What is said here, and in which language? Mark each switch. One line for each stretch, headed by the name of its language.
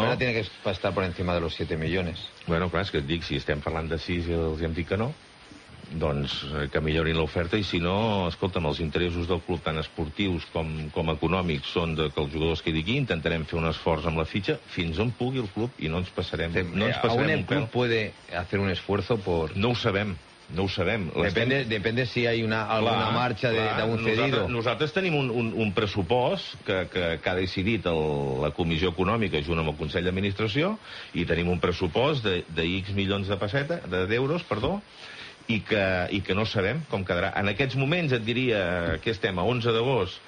Spanish: L'oferta ha que estar per encima de los 7 milions.
Catalan: Bueno, clar, és que et dic, si estem parlant de 6 i els hem dit que no, doncs que millorin l'oferta, i si no, escolta'm, els interessos del club, tant esportius com econòmics, són de que els jugadors quedin aquí. Intentarem fer un esforç amb la fitxa fins on pugui el club i no ens passarem, no ens passarem un pèl.
Spanish: ¿Aún el club puede hacer un esfuerzo por...?
Catalan: No ho sabem, no ho sabem.
Spanish: Depende si hay alguna marcha d'un cedido.
Catalan: Nosaltres tenim un pressupost que ha decidit la comissió econòmica junt amb el Consell d'Administració, i tenim un pressupost de X milions de pesseta, d'euros, perdó, i que no sabem com quedarà. En aquests moments et diria que estem a 11 d'agost...